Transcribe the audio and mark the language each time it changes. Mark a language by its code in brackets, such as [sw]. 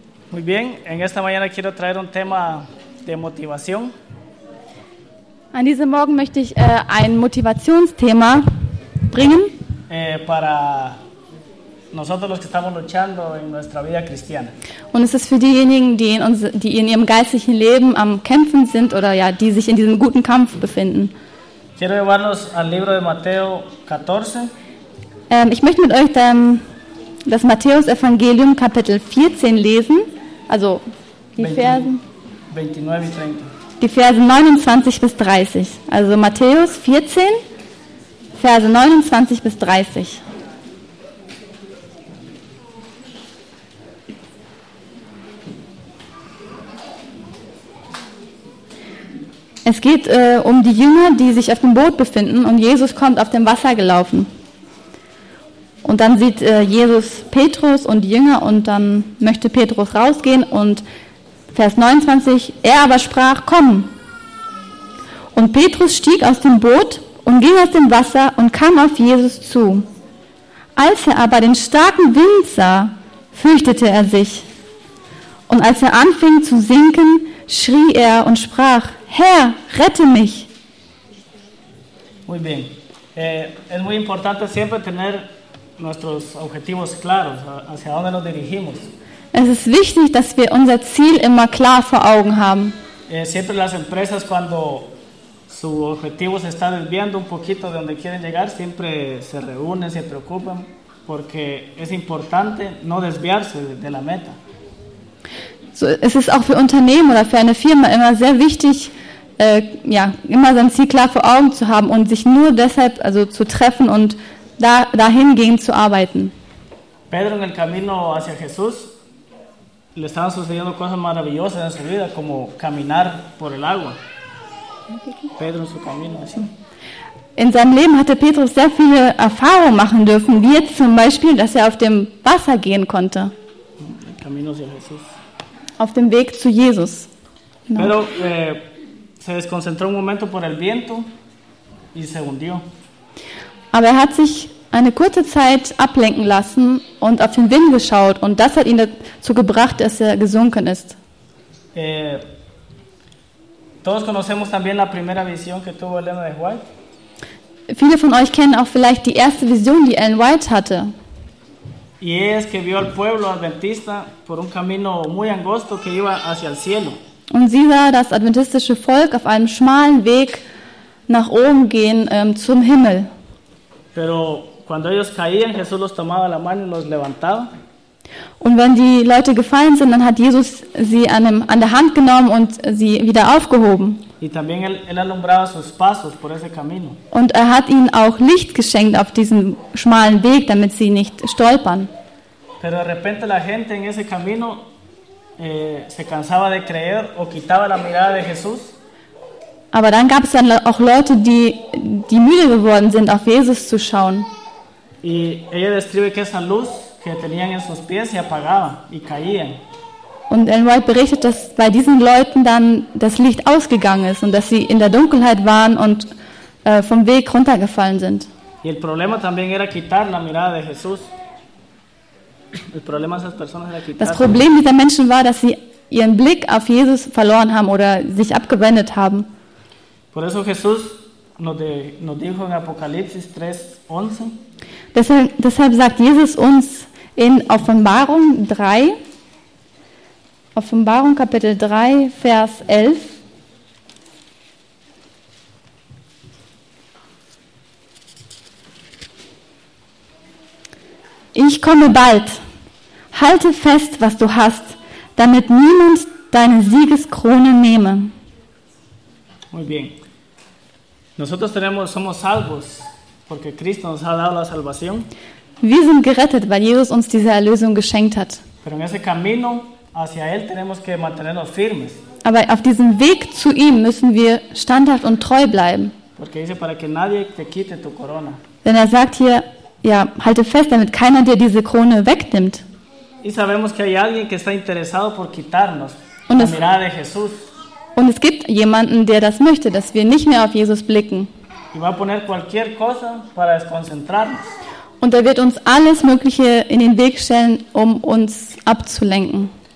[es] Muy bien, en esta mañana quiero traer un tema de motivación. [de] An diesem Morgen möchte ich ein Motivationsthema bringen. [es] Para nosotros los que estamos luchando en nuestra vida cristiana. [de] Und es ist für diejenigen, die in ihrem geistlichen Leben am Kämpfen sind oder ja, die sich in diesem guten Kampf befinden. [es] Quiero llevarlos al libro de Mateo 14. [de] Ich möchte mit euch das Matthäus-Evangelium Kapitel 14 lesen, also die 20, Versen 29 und 30. die Verse 29 bis 30. Also Matthäus 14, Verse 29 bis 30. Es geht um die Jünger, die sich auf dem Boot befinden und Jesus kommt auf dem Wasser gelaufen. Und dann sieht Jesus Petrus und die Jünger und dann möchte Petrus rausgehen und Vers 29, er aber sprach, komm. Und Petrus stieg aus dem Boot und ging aus dem Wasser und kam auf Jesus zu. Als er aber den starken Wind sah, fürchtete er sich. Und als er anfing zu sinken, schrie er und sprach, Herr, rette mich. [es] Muy bien. Es muy importante siempre tener nuestros objetivos claros, hacia dónde nos dirigimos. [de] Es ist wichtig, dass wir unser Ziel immer klar vor Augen haben. [es] Siempre las empresas cuando su objetivo se está desviando un poquito de donde quieren llegar, siempre se reúnen, se preocupan, porque es importante no desviarse de la meta. [de] So, es ist auch für Unternehmen oder für eine Firma immer sehr wichtig, immer sein Ziel klar vor Augen zu haben und sich nur deshalb also zu treffen und dahingehend zu arbeiten. [es] Pedro en el camino hacia Jesús le estaban sucediendo cosas maravillosas en su vida, como caminar por el agua. Pedro en su camino. [de] In seinem Leben hatte Petrus sehr viele Erfahrungen machen dürfen, wie jetzt zum Beispiel, dass er auf dem Wasser gehen konnte. [es] El camino hacia Jesús. [de] Auf dem Weg zu Jesus. [es] No. Pero se desconcentró un momento por el viento y se hundió. [de] Aber er hat sich eine kurze Zeit ablenken lassen und auf den Wind geschaut und das hat ihn dazu gebracht, dass er gesunken ist. [es] Todos conocemos también la primera visión que tuvo Ellen White. [de] Viele von euch kennen auch vielleicht die erste Vision, die Ellen White hatte. [es] Y es que vio al pueblo adventista por un camino muy angosto que iba hacia el cielo. [de] Und sie sah das adventistische Volk auf einem schmalen Weg nach oben gehen zum Himmel. [es] Pero cuando ellos caían, Jesús los tomaba la mano y los levantaba. [de] Und wenn die Leute gefallen sind, dann hat Jesus sie an der Hand genommen und sie wieder aufgehoben. [es] Y también él alumbraba sus pasos por ese camino. [de] Und er hat ihnen auch Licht geschenkt auf diesem schmalen Weg, damit sie nicht stolpern. [es] Pero de repente la gente en ese camino se cansaba de creer o quitaba la mirada de Jesús. [de] Aber dann gab es dann auch Leute, die müde geworden sind, auf Jesus zu schauen. [es] Y ella describe que esa luz que tenían en sus pies se apagaba y caían. [de] Und Ellen White berichtet, dass bei diesen Leuten dann das Licht ausgegangen ist und dass sie in der Dunkelheit waren und vom Weg runtergefallen sind. [es] Y el problema también era quitar la mirada de Jesús. El problema de esas personas era quitar. [de] Das Problem dieser Menschen war, dass sie ihren Blick auf Jesus verloren haben oder sich abgewendet haben. [es] Por eso Jesús nos dijo en Apocalipsis 3:11. [de] Deshalb sagt Jesus uns in Offenbarung Kapitel 3, Vers 11. Ich komme bald. Halte fest, was du hast, damit niemand deine Siegeskrone nehme. [es] Muy bien. Nosotros somos salvos porque Cristo nos ha dado la salvación. [de] Wir sind gerettet, weil Jesus uns diese Erlösung geschenkt hat. [es] Pero en ese camino hacia él tenemos que mantenernos firmes. [de] Aber auf diesem Weg zu ihm müssen wir standhaft und treu bleiben. [es] Porque dice para que nadie te quite tu corona. [de] Denn er sagt hier, ja, halte fest, damit keiner dir diese Krone wegnimmt. [es] Y sabemos que hay alguien que está interesado por quitarnos la mirada de Jesús. [de] Und es gibt jemanden, der das möchte, dass wir nicht mehr auf Jesus blicken. Und er wird uns alles Mögliche in den Weg stellen, um uns abzulenken.